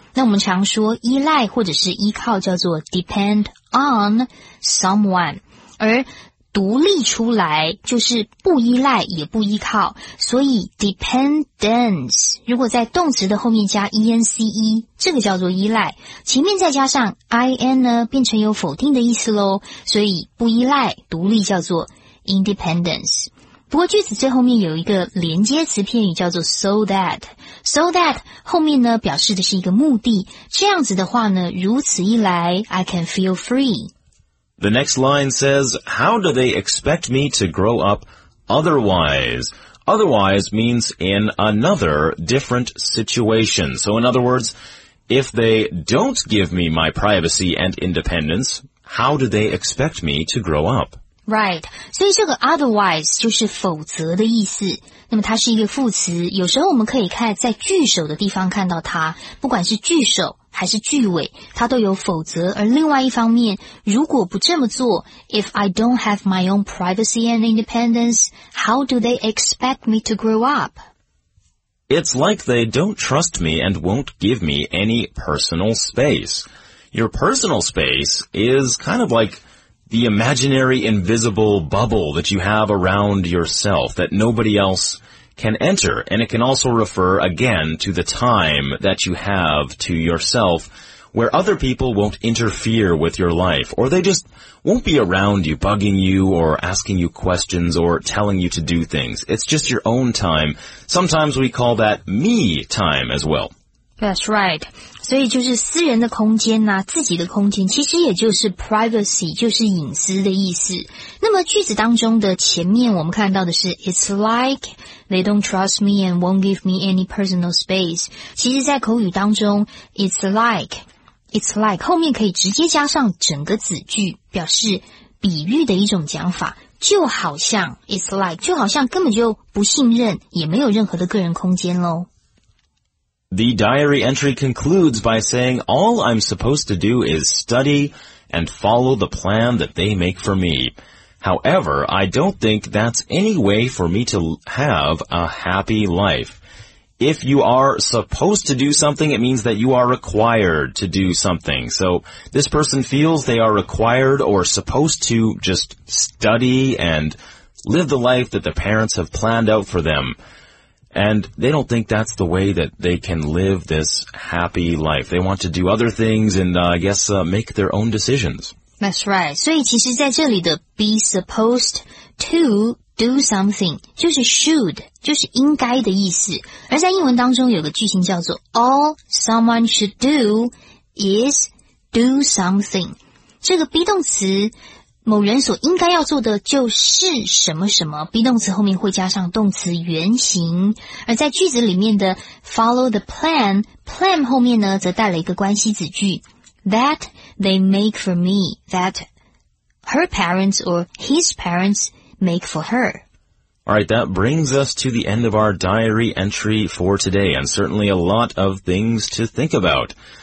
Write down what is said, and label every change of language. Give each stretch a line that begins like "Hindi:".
Chinese: 那我们常说依赖或者是依靠叫做
English: depend on someone,
Chinese: 而独立出来就是不依赖也不依靠，所以 dependence 如果在动词的后面加 ence 这个叫做依赖，前面再加上 in 呢变成有否定的意思咯，所以不依赖独立叫做 independence。不过句子最后面有一个连接词片语叫做
English: so that,
Chinese: so that 后面呢表示的是一个目的，这样子的话呢，如此一来
English: I can feel free The next line says, how do they expect me to grow up otherwise? Otherwise means in another different situation. So in other words, if they don't give me my privacy and independence, how do they expect me to grow up? Right.
Chinese: 所以这个 otherwise 就是否则的意思。那么它是一个副词，有时候我们可以看在句首的地方看到它，不管是句首还是句尾，它都有否则。而另外一方面，如果不这么做，
English: If I don't have my own privacy and independence, how do they expect me to grow up? It's like they don't trust me and won't give me any personal space. Your personal space is kind of like the imaginary invisible bubble that you have around yourself that nobody elseCan enter, and it can also refer again to the time that you have to yourself where other people won't interfere with your life, or they just won't be around you bugging you or asking you questions or telling you to do things. It's just your own time. Sometimes we call that me time as well. That's right.
Chinese: 所以就是私人的空间啊，自己的空间，其实也就是 privacy, 就是隐私的意思。那么句子当中的前面我们看到的是
English: It's like they don't trust me and won't give me any personal space.
Chinese: 其实在口语当中
English: It's like
Chinese: 后面可以直接加上整个子句，表示比喻的一种讲法，就好像 It's like 就好像根本就不信任，也没有任何的个人空间咯。
English: The diary entry concludes by saying, All I'm supposed to do is study and follow the plan that they make for me. However, I don't think that's any way for me to have a happy life. If you are supposed to do something, it means that you are required to do something. So this person feels they are required or supposed to just study and live the life that the parents have planned out for them. And they don't think that's the way that they can live this happy life. They want to do other things and, make their own decisions. That's right.
Chinese: 所以其实在这里的
English: be supposed to do something
Chinese: 就是 should, 就是应该的意思。而在英文当中有个句型叫做
English: all someone should do is do something.
Chinese: 这个 be 动词某人所应该要做的就是什么什么 ,be 动词后面会加上动词原形。而在句子里面的
English: follow the plan,
Chinese: plan 后面呢则带了一个关系子句 ,
English: that they make for me, that her parents or his parents make for her. Alright, that brings us to the end of our diary entry for today, and certainly a lot of things to think about.